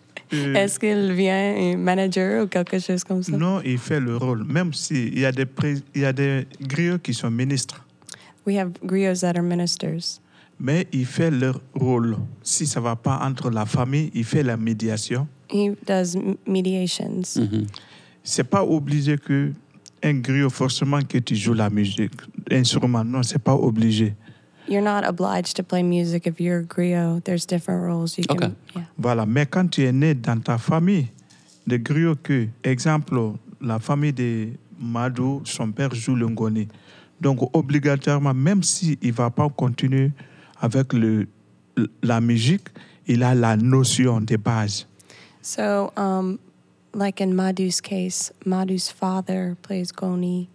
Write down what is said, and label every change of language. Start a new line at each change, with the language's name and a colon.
French: Est-ce qu'il vient un manager ou quelque chose comme ça? Non, il fait le rôle. Même s'il y a des griots qui sont ministres.
English: We have griots that are ministers.
French: Mais il fait leur rôle. Si ça ne va pas entre la famille, il fait la médiation.
English: He does mediations.
French: Mm-hmm. Ce n'est pas obligé que un griot, forcément que tu joues la musique, instrument. Non, c'est pas obligé.
English: You're not obliged to play music if you're a griot. There's different roles you can. Yeah.
French: Voilà. Mais quand tu es né dans ta famille de griots, que exemple, la famille de Madou, son père joue le ngoni. Donc obligatoirement, même s'il va pas continuer avec la musique, il a la notion de base.
English: So, like in Madu's case, Madu's father plays goni,